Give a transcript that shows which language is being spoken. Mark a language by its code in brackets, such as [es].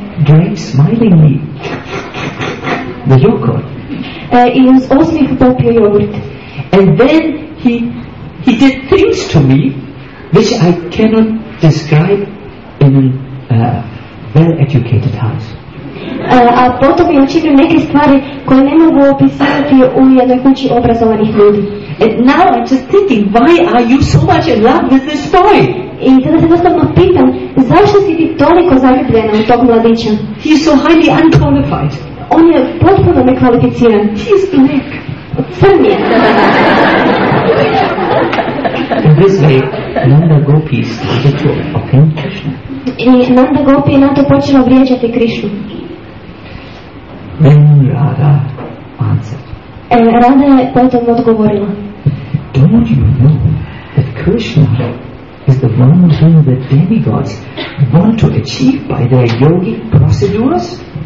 [en] Drank smilingly the yogurt. [hr] I uz osmih popio jogurt. [en] And then he did things to me which I cannot describe in a well-educated house. [hr] A potom je učinio neke stvari koje ne mogu opisati u jednoj kući obrazovanih ljudi. [en] And now I'm just thinking, why are you so much in love with this boy? [hr] I tada se dostavno pitam, zašto si ti toliko zaljubljena u tog mladića? [en] He is so highly unqualified. [hr] On je potpuno nekvalificiran. [en] He is black. [hr] Crn je. [en] In this way, Nanda Gopi started to offend Krishna. [hr] I Nanda Gopi je na to počela vrijeđati Krishnu. [en] When Radha answered. [hr] Radha je potom odgovorila. [en] Don't you know that Krishna is the one thing that demigods want to achieve by their yogic procedures?